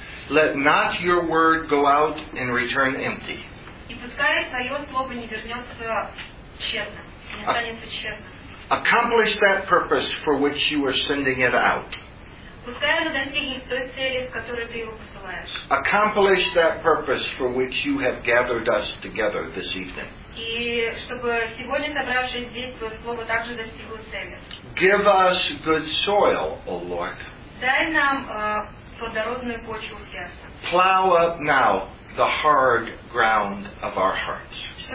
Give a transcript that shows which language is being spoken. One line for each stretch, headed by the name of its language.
English: Let not your word go out and return empty.
Russian: И пускай твое слово не вернется тщетно, не останется тщетно.
English: Accomplish that purpose for which you are sending it out.
Russian: Пускай оно достигнет той цели, в которой ты его посылаешь.
English: Accomplish that purpose for which you have gathered us together this evening.
Russian: И чтобы сегодня собравшись здесь, твое слово также достигло цели.
English: Give us good soil, O Lord.
Russian: Дай нам плодородную почву в сердце.
English: Plow up now the hard ground of our hearts.